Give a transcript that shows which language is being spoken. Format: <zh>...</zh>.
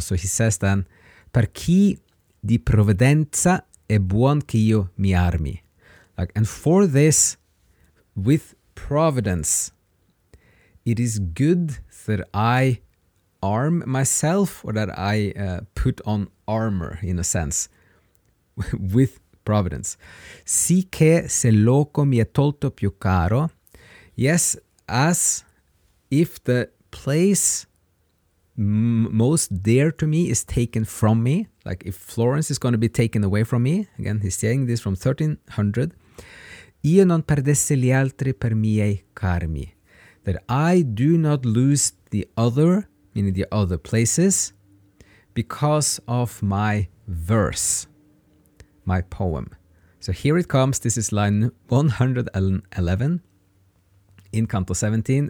<en>So he says then,</en> <it>per chi di provvidenza è buon che io mi armi.</it> <en>Like, and for this, with providence, it is good that I arm myself, or that I put on armor, in a sense, with providence.</en> <it>Sì che se loco mi è tolto più caro.</it> <en>Yes, as if the place most dear to me is taken from me, like if Florence is going to be taken away from me. Again, he's saying this from 1300.</en> <it>Io non perdesse gli altri per miei carmi.</it> <en>That I do not lose the other, meaning the other places, because of my verse, my poem. So here it comes. This is line 111 in Canto 17.</en>